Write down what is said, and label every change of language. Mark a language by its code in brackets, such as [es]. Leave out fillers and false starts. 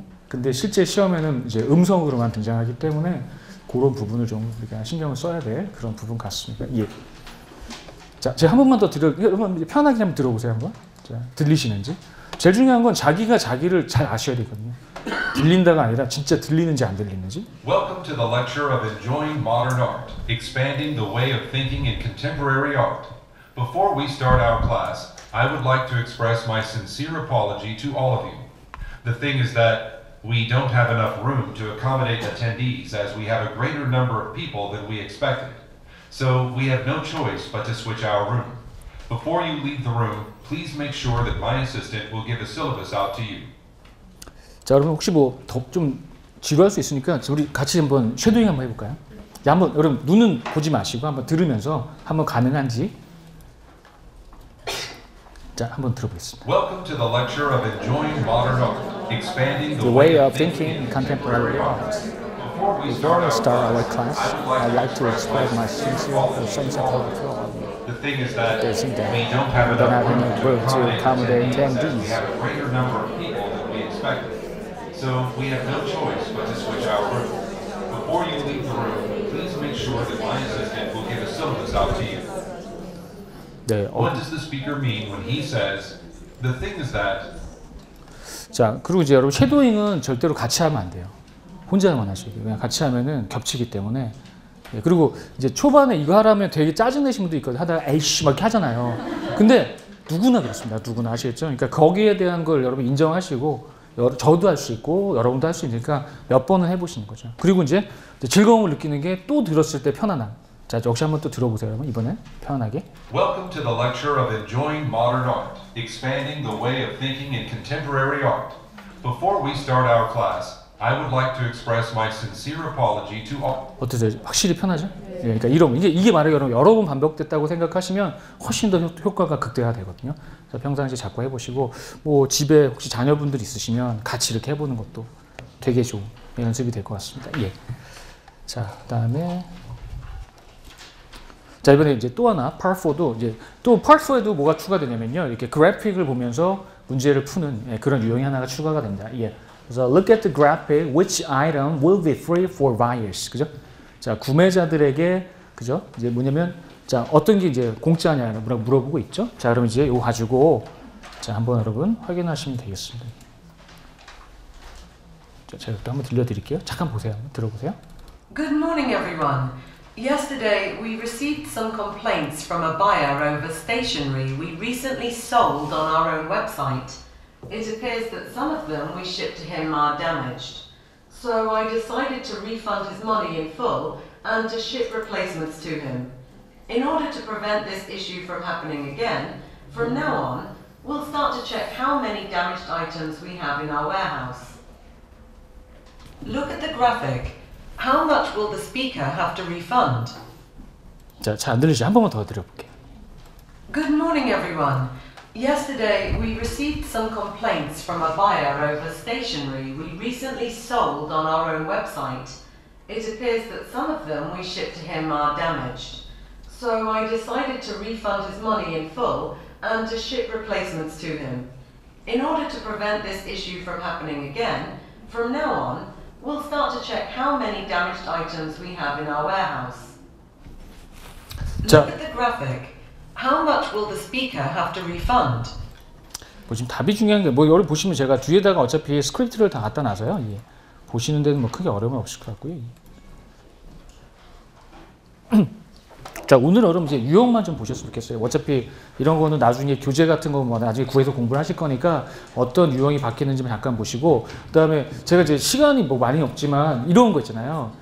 [ko] 근데 실제 시험에는 이제 음성으로만 등장하기 때문에 그런 부분을 좀 우리가 신경을 써야 될 그런 부분 같습니다. 예. 자, 제가 한 번만 더 들어, 여러분 편하게 한번 들어보세요. 한번. 자, 들리시는지. 제일 중요한 건 자기가 자기를 잘 아셔야 되거든요. 들린다가 아니라 진짜 들리는지 안 들리는지. [en] Welcome to the lecture of Enjoying Modern Art, Expanding the Way of Thinking in Contemporary Art. Before we start our class, I would like to express my sincere apology to all of you. The thing is that we don't have enough room to accommodate attendees as we have a greater number of people than we expected. So we have no choice but to switch our room. Before you leave the room, please make sure that my assistant will give a syllabus out to you. [ko] 자, 여러분 혹시 뭐 더 좀 지루할 수 있으니까 우리 같이 한번 쉐도잉 한번 해볼까요? 야, 한번 여러분 눈은 보지 마시고 한번 들으면서 한번 가능한지 자, 한번 들어보겠습니다. [en] Welcome to the lecture of Enjoying Modern Art, Expanding the Way of Thinking in Contemporary Art. Before we start our class, I'd like to express my sincere apology to all of you. The thing is that we don't have enough room to accommodate attendees. We have a greater number of people than we expected. So we have no choice but to switch our room. Before you leave the room, please make sure that my assistant will give a syllabus out to you. [ko] 네. [en] What does the speaker mean when he says the thing is that? [ko] 자, 그리고 이제 여러분 쉐도잉은 절대로 같이 하면 안 돼요. 혼자만 하셔야 돼요. 그냥 같이 하면은 겹치기 때문에. 네, 그리고 이제 초반에 이거 하라면 되게 짜증내신 분도 있거든요. 하다가 에이씨 막 이렇게 하잖아요. 근데 누구나 그렇습니다. 누구나 하시겠죠. 그러니까 거기에 대한 걸 여러분 인정하시고 저도 할 수 있고 여러분도 할 수 있으니까 몇 번은 해보시는 거죠. 그리고 이제 즐거움을 느끼는 게 또 들었을 때 편안함. 자, 역시 한번 또 들어보세요, 여러분. 이번에 편안하게. [en] Welcome to the lecture of Enjoying Modern Art, Expanding the Way of Thinking in Contemporary Art. Before we start our class, I would like to express my sincere apology to all. [ko] 어떠세요? 확실히 편하죠? 네. 예, 그러니까 이런 이게 만약에 여러분 여러 번 반복됐다고 생각하시면 훨씬 더 효과가 극대화 되거든요. 그래서 평상시에 자꾸 해보시고 뭐 집에 혹시 자녀분들 있으시면 같이 이렇게 해보는 것도 되게 좋은 연습이 될 것 같습니다. 예. 자, 그다음에. 자, 이번에 이제 또 하나 파트4도 이제 또 파트4에도 뭐가 추가되냐면요. 이렇게 그래픽을 보면서 문제를 푸는 그런 유형이 하나가 추가가 됩니다. 예. 그래서 [en] look at the graphic which item will be free for buyers. [ko] 그죠? 자, 구매자들에게 그죠? 이제 뭐냐면 자, 어떤 게 이제 공짜냐는 뭐라고 물어보고 있죠. 자, 그럼 이제 요거 가지고 자, 한번 여러분 확인하시면 되겠습니다. 자, 제가 또 한번 들려 드릴게요. 잠깐 보세요. 한번 들어보세요. [en] Good morning everyone. Yesterday, we received some complaints from a buyer over stationery we recently sold on our own website. It appears that some of them we shipped to him are damaged. So I decided to refund his money in full and to ship replacements to him. In order to prevent this issue from happening again, from now on, we'll start to check how many damaged items we have in our warehouse. Look at the graphic. How much will the speaker have to refund? [ko] 자, 잘 안 들리시죠? 한 번만 더 드려볼게요. [en] Good morning, everyone. Yesterday, we received some complaints from a buyer over stationery we recently sold on our own website. It appears that some of them we shipped to him are damaged. So I decided to refund his money in full and to ship replacements to him. In order to prevent this issue from happening again, from now on, we'll start to check how many damaged items we have in our warehouse. Look at the graphic. How much will the speaker have to refund? [ko] 뭐 지금 답이 중요한 게 뭐 여기 보시면 제가 뒤에다가 어차피 스크립트를 다 갖다 놔서요. 예. 보시는 데는 뭐 크게 어려움이 없을 것 같고요. 예. 자, 오늘 여러분 이제 유형만 좀 보셨으면 좋겠어요. 어차피 이런 거는 나중에 교재 같은 거 뭐 나중에 구해서 공부를 하실 거니까 어떤 유형이 바뀌는지만 잠깐 보시고 그다음에 제가 이제 시간이 뭐 많이 없지만 이런 거 있잖아요.